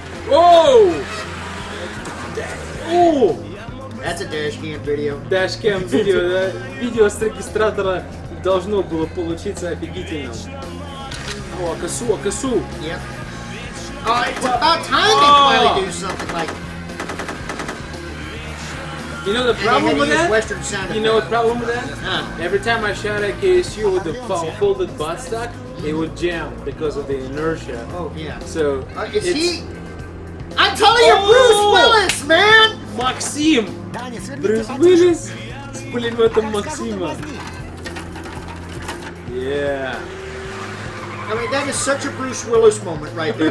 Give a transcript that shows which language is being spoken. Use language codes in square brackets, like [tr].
[en] Оу! That's a dashcam video. Dashcam video, да? [ru] Видео с регистратора должно было получиться офигительным. О, косу, косу! [en] Yep. Oh, it's about time they finally do something like. You know the problem with that? Western sound. You know the problem with that? Huh. Every time I shot at KSU with the folded buttstock, it would jam because of the inertia. Oh, yeah. So, I'm telling you, Bruce Willis, man! [ru] Максим! Брюс Уиллис с пулеметом Максима. [en] Yeah. I mean, that is such a Bruce Willis moment right there.